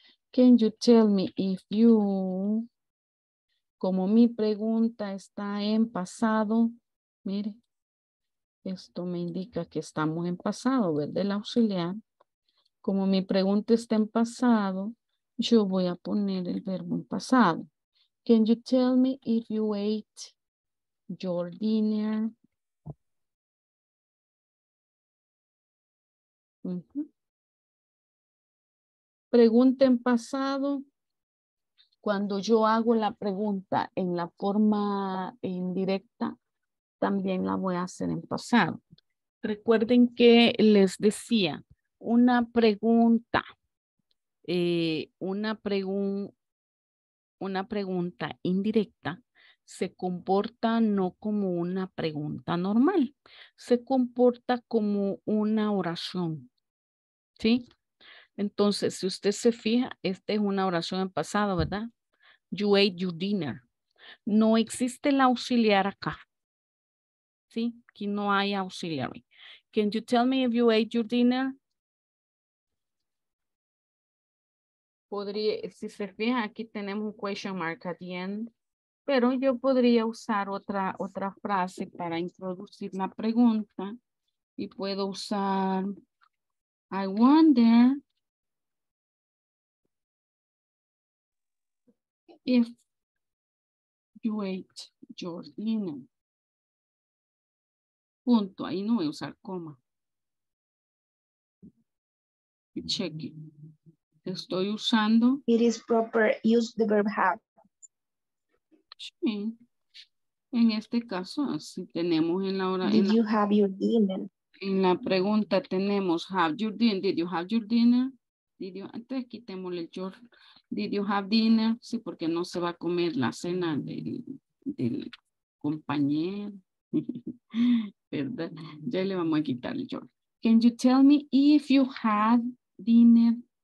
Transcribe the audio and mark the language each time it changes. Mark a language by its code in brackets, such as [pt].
[en] Can you tell me if you, [es] como mi pregunta está en pasado, mire, esto me indica que estamos en pasado, ¿verdad? El auxiliar. Como mi pregunta está en pasado, yo voy a poner el verbo en pasado. [en] Can you tell me if you ate your dinner? [es] Pregunta en pasado. Cuando yo hago la pregunta en la forma indirecta, también la voy a hacer en pasado. Recuerden que les decía, una pregunta indirecta se comporta no como una pregunta normal, se comporta como una oración, ¿sí? Entonces, si usted se fija, esta es una oración en pasado, ¿verdad? [en] You ate your dinner. [es] No existe el auxiliar acá, ¿sí? Aquí no hay auxiliary. [en] Can you tell me if you ate your dinner? [es] Podría, si se fija, aquí tenemos un [en] question mark at the end. [es] Pero yo podría usar otra frase para introducir la pregunta. Y puedo usar, [en] I wonder if you ate your dinner. [es] Punto, ahí no voy a usar coma. [en] Check it. [es] Estoy usando. [en] It is proper, use the verb have. [es] Sí. En este caso, si tenemos en la hora. [en] Did you have your dinner? [es] En la pregunta tenemos [en] have your dinner. Did you have your dinner? Did you, [es] entonces quitémosle el [en] your. Did you have dinner? [es] Sí, porque no se va a comer la cena del compañero. ¿Verdad? Ya le vamos a quitar el your. [en] Can you tell me if you had dinner?